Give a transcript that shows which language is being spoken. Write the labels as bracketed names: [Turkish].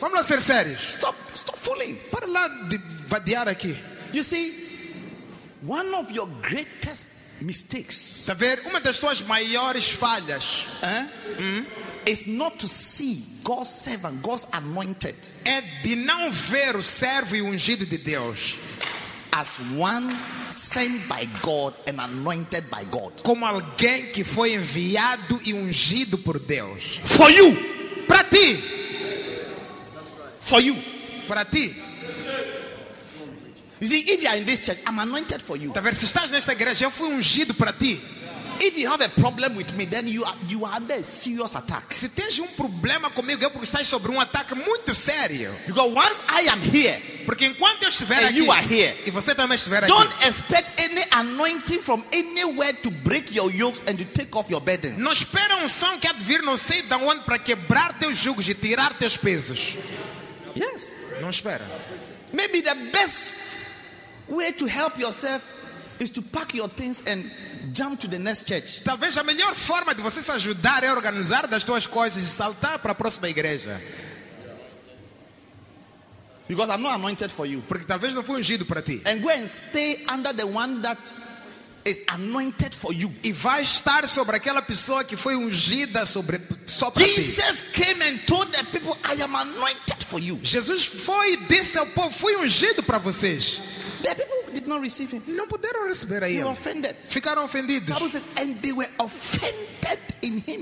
[Portuguese] Vamos lá ser sérios. [English] Stop fooling. [Portuguese] Para lá de vadiar aqui. [English] You see, one of your greatest mistakes. [Portuguese] Tá vendo? Uma das tuas maiores falhas. [English] It's not to see God's servant, God's anointed. [Portuguese] É de não ver o servo e ungido de Deus. [English] As one sent by God and anointed by God. [Portuguese] Como alguém que foi enviado e ungido por Deus. [English] For you. [Portuguese] Para ti. [English] For you. [Portuguese] Para ti. [English] You see, if you are in this church, I'm anointed for you. [Portuguese] Tá vendo? Se estás nesta igreja, eu fui ungido para ti. [English] If you have a problem with me, then you are under a serious attack. [Portuguese] Se tens um problema comigo, é porque estás sobre ataque muito sério. [English] Because once I am here, [Portuguese] porque enquanto eu estiver [English] and [Portuguese] aqui, [English] you are here, [Portuguese] e você também estiver [English] don't don't expect any anointing from anywhere to break your yokes and to take off your burdens. [Portuguese] Não espera unção que há de vir não sei de onde para quebrar teus jugos e tirar teus pesos. [English] Yes. [Portuguese] Não espera. [English] Maybe the best way to help yourself is to pack your things and jump to the next church. [Portuguese] Talvez a melhor forma de você se ajudar é organizar das tuas coisas e saltar para a próxima igreja. [English] Because I'm not anointed for you. [Portuguese] Porque talvez não fui ungido para ti. [English] And go and stay under the one that is anointed for you. [Portuguese] E vai estar sobre aquela pessoa que foi ungida sobre só para [English] Jesus [Portuguese] ti. [English] Came and told the people, I am anointed for you. [Portuguese] Jesus foi e disse ao povo, fui ungido para vocês. [English] The people did not receive him. [Portuguese] Não puderam receber a ele. [English] They were offended. [Portuguese] Ficaram ofendidos. [English] Bible says, and they were offended in him.